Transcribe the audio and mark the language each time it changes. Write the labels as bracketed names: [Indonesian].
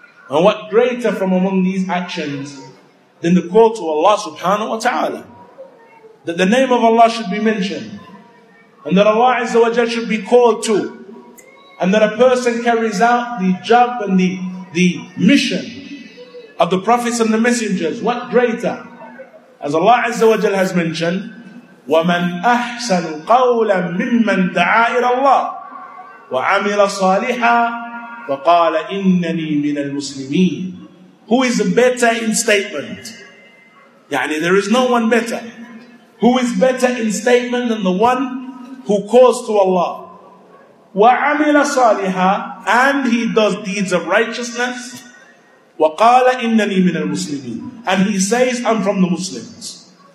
[English] And what greater from among these actions than the call to Allah subhanahu wa ta'ala? That the name of Allah should be mentioned, and that Allah Azza wa Jal should be called to, and that a person carries out the job and the mission of the prophets and the messengers. What greater? As Allah Azza wa Jal has mentioned, [Arabic] وَمَنْ أَحْسَنُ قَوْلًا مِمَّنْ دَعَى إِلَى اللَّهِ وَعَمِلَ صَالِحًا فَقَالَ إِنَّنِي مِنَ الْمُسْلِمِينَ. [English] Who is better in statement? يعني there is no one better. Who is better in statement than the one who calls to Allah? [Arabic] وَعَمِلَ صَالِحًا, [English] and he does deeds of righteousness. [Arabic] وَقَالَ إِنَّنِي مِنَ الْمُسْلِمِينَ, [English] and he says, I'm from the Muslims.